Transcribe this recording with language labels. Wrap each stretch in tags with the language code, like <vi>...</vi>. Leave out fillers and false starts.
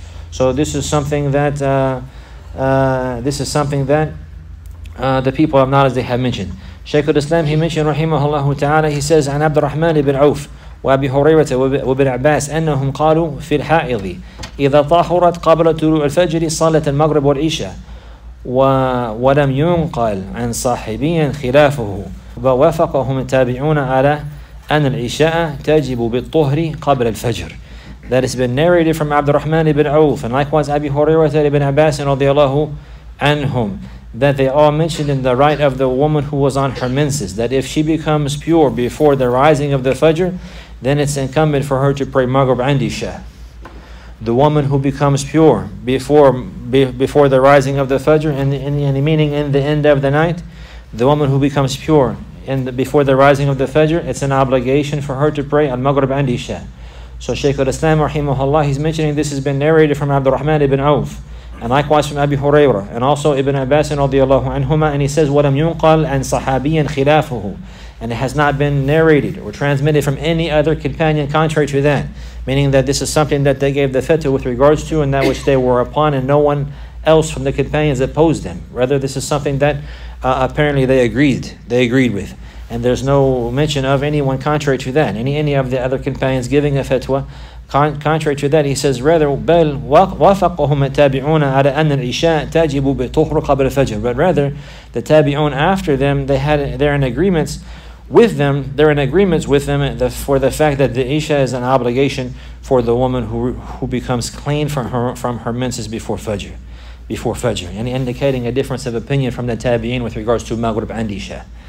<en>So this is something that the people of knowledge, they have mentioned. Shaykh al-Islam, he mentioned, rahimahullahu ta'ala, he says,</en> <ar>عن عبد الرحمن بن عوف وابي هريرة وابن عباس أنهم قالوا في الحائض إذا طهرت قبل طلوع الفجر صلاة المغرب والعشاء ولم ينقل عن صاحبيا خلافه ووافقهم التابعون على أن العشاء تجب بالطهر قبل الفجر.</ar> <en>That has been narrated from عبد الرحمن بن عوف and likewise أبي هريرة بن عباس رضي الله عنهم, that they all mentioned in the right of the woman who was on her menses, that if she becomes pure before the rising of the fajr, then it's incumbent for her to pray maghrib and isha. The woman who becomes pure before the rising of the fajr, and meaning in the end of the night, the woman who becomes pure before the rising of the fajr, it's an obligation for her to pray al maghrib and isha. So Shaykh al-Islam, rahimahullah, he's mentioning this has been narrated from Abdul Rahman ibn Auf, and likewise from Abi Hurairah, and also Ibn Abbas radiallahu anhuma, and he says,</en> <ar>وَلَمْ يُنْقَلْ عَنْ صَحَابِيًا خِلَافُهُ,</ar> <en>and it has not been narrated or transmitted from any other companion contrary to that, meaning that this is something that they gave the fatwa with regards to and that which they were upon, and no one else from the companions opposed them. Rather, this is something that apparently they agreed with. And there's no mention of anyone contrary to that, any of the other companions giving a fatwa. Contrary to that, he says, rather,</en> <ar>بَلْ وَافَقَهُمَ التَّابِعُونَ عَلَى أَنَّ الْعِشَاءَ تَجِبُ بِطُهْرُ قَبْلَ الْفَجْرِ.</ar> <en>But rather, the tabi'un after them, they're in agreements with them for the fact that the isha is an obligation for the woman who becomes clean from her menses before fajr, and indicating a difference of opinion from the tabi'in with regards to maghrib and isha.</en>